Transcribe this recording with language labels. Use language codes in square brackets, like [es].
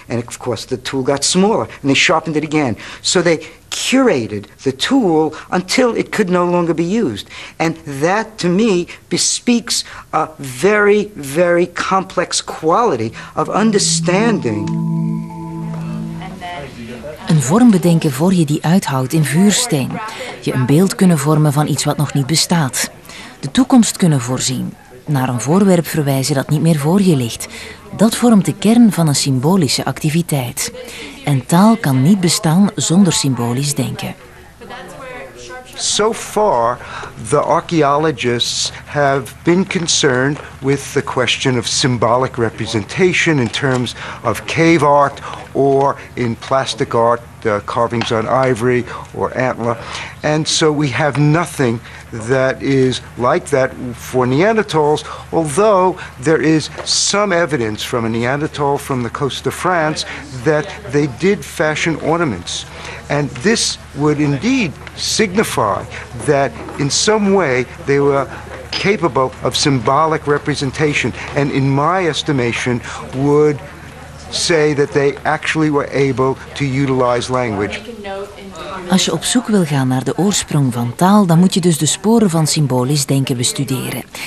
[en] And of course, the tool got smaller, and they sharpened it again. So they curated the tool until it could no longer be used. And that, to me, bespeaks a very, very complex quality of understanding. [nl] Een vorm bedenken voor je die uithoudt in vuursteen. Je een beeld kunnen vormen van iets wat nog niet bestaat. De toekomst kunnen voorzien. Naar een voorwerp verwijzen dat niet meer voor je ligt. Dat vormt de kern van een symbolische activiteit. En taal kan niet bestaan zonder symbolisch denken. [en] So far, the archaeologists have been concerned with the question of symbolic representation in terms of cave art or in plastic art, carvings on ivory or antler. And so we have nothing that is like that for Neanderthals, although there is some evidence from a Neanderthal from the coast of France that they did fashion ornaments. And this would indeed signify that in some way they were capable of symbolic representation, and in my estimation would say that they actually were able to utilize language. [nl] Als je op zoek wil gaan naar de oorsprong van taal, dan moet je dus de sporen van symbolisch denken bestuderen.